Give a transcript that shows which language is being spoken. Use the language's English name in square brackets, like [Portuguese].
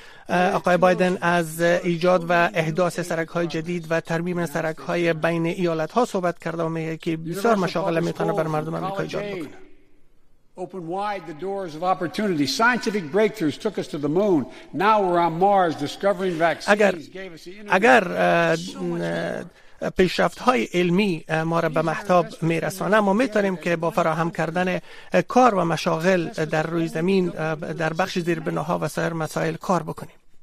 [Persian] آقای بایدن از ایجاد و احداث سرک های جدید و ترمیم سرک های بین ایالت ها صحبت کرده و میگه که بسیار مشاغل میتونه بر مردم امریکا ایجاد بکنه. [English] Open wide the doors of opportunity. Scientific breakthroughs took us to the moon. Now we're on Mars discovering vaccines. [Persian] اگر پیشرفت های علمی ما را به مهتاب میرسانه، ما میتونیم که با فراهم کردن کار و مشاغل در روی زمین در بخش زیربناها و سایر مسائل کار بکنیم.